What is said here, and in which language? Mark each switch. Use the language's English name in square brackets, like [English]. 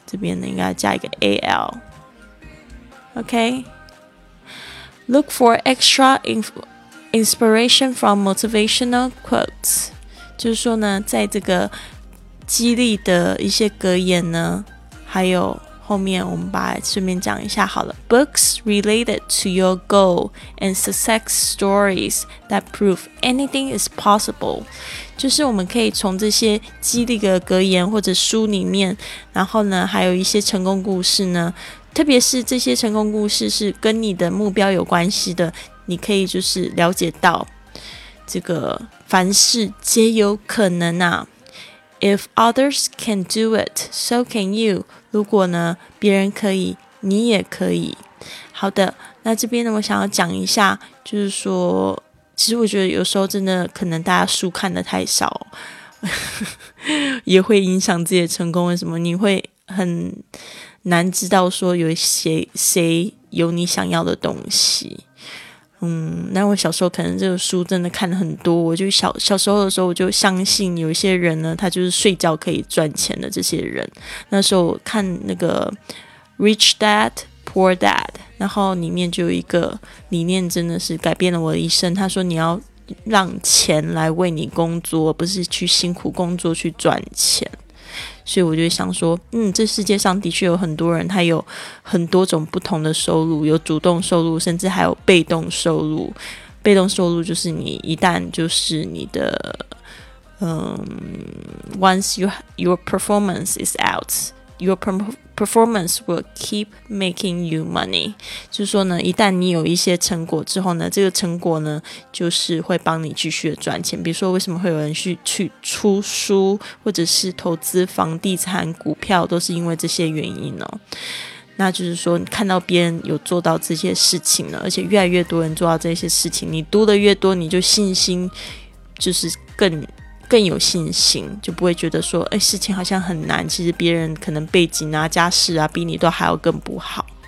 [Chinese] 这边应该加一个 AL. OK, [English] Look for extra inspiration from motivational quotes. [Chinese] 就是说呢，在这个激励的一些格言呢，还有后面我们把顺便讲一下好了。 [English] Books related to your goal and success stories that prove anything is possible. [Chinese] 就是我们可以从这些激励的格言或者书里面，然后呢，还有一些成功故事呢，特别是这些成功故事是跟你的目标有关系的，你可以就是了解到这个凡事皆有可能啊。 [English] If others can do it, so can you. [Chinese] 如果呢，别人可以，你也可以。好的，那这边呢，我想要讲一下，就是说，其实我觉得有时候真的可能大家书看的太少，也会影响自己的成功。为什么？你会很难知道说有谁有你想要的东西。那我小时候可能这个书真的看了很多，我就小时候的时候我就相信有一些人呢，他就是睡觉可以赚钱的这些人。那时候看那个 Rich Dad Poor Dad， 然后里面就有一个理念真的是改变了我的一生。他说你要让钱来为你工作，不是去辛苦工作去赚钱。所以我就想说，这世界上的确有很多人，他有很多种不同的收入，有主动收入，甚至还有被动收入。被动收入就是你一旦就是你的 [English] once your performance is out, your performance will keep making you money. [Chinese] 就是说呢，一旦你有一些成果之后呢，这个成果呢就是会帮你继续的赚钱。比如说为什么会有人去出书，或者是投资房地产股票，都是因为这些原因哦。那就是说你看到别人有做到这些事情了，而且越来越多人做到这些事情，你读的越多，你就信心就是更有信心，就不会觉得说事情好像很难，其实别人可能背景啊家世啊比你都还要更不好。